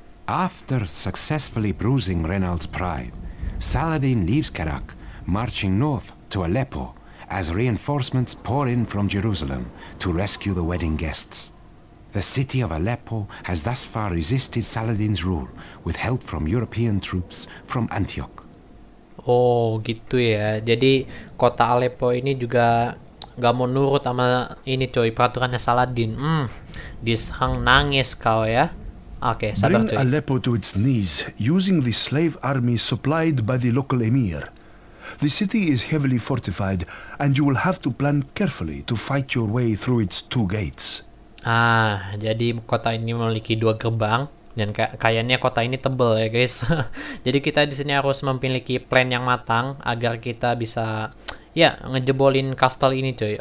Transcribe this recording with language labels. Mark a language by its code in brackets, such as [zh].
[en] After successfully bruising Renald's pride, Saladin leaves Karak, marching north to Aleppo. As reinforcements pour in from Jerusalem to rescue the wedding guests. The city of Aleppo has thus far resisted Saladin's rule with help from European troops from Antioch. [id] Oh, gitu ya. Jadi kota Aleppo ini juga gak mau nurut sama ini coy, peraturannya Saladin. Diserang nangis kau ya. Oke, sabar [en] Bring [id] coy. [en] Bring Aleppo to its knees using the slave army supplied by the local emir. The city is heavily fortified, and you will have to plan carefully to fight your way through its two gates. [id] Ah, jadi kota ini memiliki dua gerbang, dan kayaknya kota ini tebel ya guys. Jadi kita di sini harus memiliki plan yang matang agar kita bisa, ya, ngejebolin castle ini coy.